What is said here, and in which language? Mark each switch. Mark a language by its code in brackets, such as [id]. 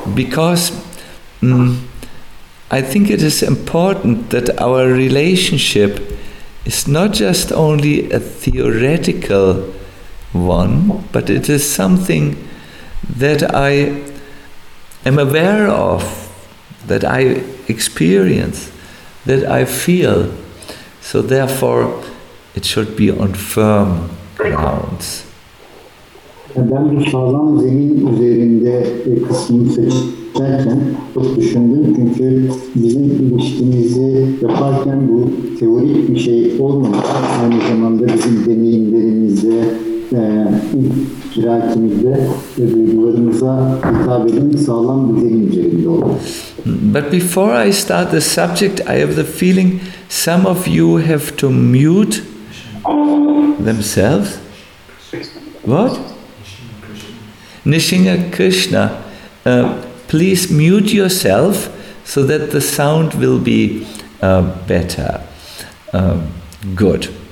[en] Because I think it is important that our relationship is not just only a theoretical one, but it is something that I am aware of, that I experience, that I feel, so therefore it should be on firm grounds. [tr] Ben bu sağlam zemin üzerinde kısmını seçerken çok düşündüm, çünkü bizim ilişkimizi yaparken bu teorik bir şey olmadan aynı zamanda bizim deneyimlerimize, idrakimize ve duygularımıza hitap edin sağlam bir zemin üzerinde olur. [en] But before I start the subject, I have the feeling some of you have to mute themselves. What? Nishinga Krishna, please mute yourself so that the sound will be better. Good.